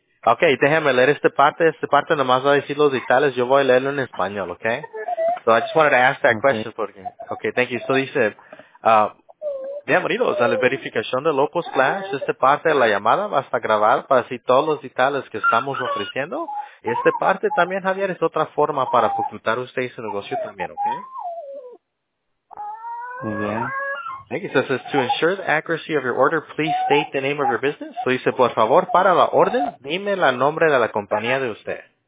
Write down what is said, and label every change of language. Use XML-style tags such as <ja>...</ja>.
<es>Okay, déjame leer esta parte nomás va a decir los detalles. Yo voy a leerlo en español, okay?</es> <en>So I just wanted to ask that question for you. Okay, thank you. So</en> <es>dice, bienvenidos a la verificación de Local Splash. Esta parte de la llamada va a estar grabada para decir todos los detalles que estamos ofreciendo. Y esta parte también, Javier, es otra forma para facultar usted y su negocio también, ¿ok? Muy bien.</es> <en>Thank you. So it says, to ensure the accuracy of your order, please state the name of your business.</en> <es>So dice, por favor, para la orden, dime el nombre de la compañía de usted.</es>